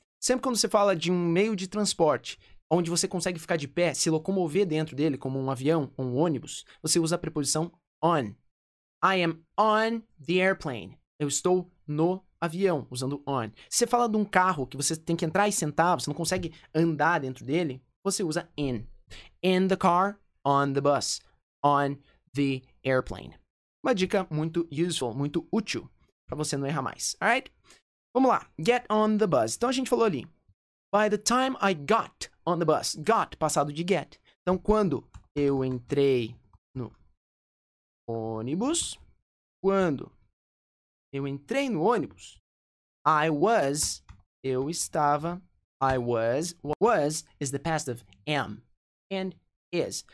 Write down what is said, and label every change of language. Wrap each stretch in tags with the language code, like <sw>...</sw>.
<pt>Sempre quando você fala de um meio de transporte, onde você consegue ficar de pé, se locomover dentro dele, como um avião ou um ônibus, você usa a preposição on.</pt> <en>I am on the airplane.</en> <pt>Eu estou no avião, usando on. Se você fala de um carro que você tem que entrar e sentar, você não consegue andar dentro dele, você usa in.</pt> <en>In the car, on the bus, on the airplane.</en> <pt>Uma dica muito useful, muito útil, pra você não errar mais, alright? Vamos lá, get on the bus. Então a gente falou ali,</pt> <en>by the time I got on the bus,</en> <pt>got, passado de get. Então quando eu entrei no ônibus, quando eu entrei no ônibus, I was, eu estava,</pt> <en>I was is the past of am and is.</en>